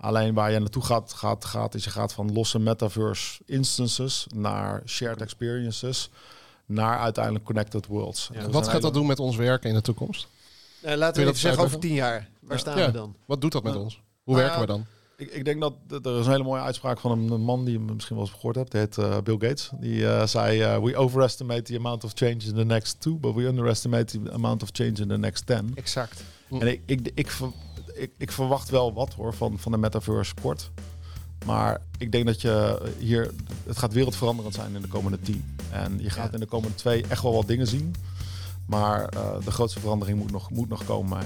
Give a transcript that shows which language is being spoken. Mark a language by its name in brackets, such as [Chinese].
[Dutch] Alleen waar je naartoe gaat, is je gaat van losse metaverse instances naar shared experiences naar uiteindelijk connected worlds. Ja. Wat gaat dat doen met ons werken in de toekomst? Laten we even zeggen, over 10 jaar, waar staan we dan? Wat doet dat met ons? Hoe werken we dan? Ik denk dat er is een hele mooie uitspraak van een man die je misschien wel eens gehoord hebt. Die heet Bill Gates. Die zei, [English] we overestimate the amount of change in the next 2, but we underestimate the amount of change in the next 10. [Dutch] Exact. En ik verwacht wel wat hoor van de metaverse kort. Maar ik denk dat je hier, het gaat wereldveranderend zijn in de komende 10. En je gaat in de komende 2 echt wel wat dingen zien. Maar de grootste verandering moet nog komen.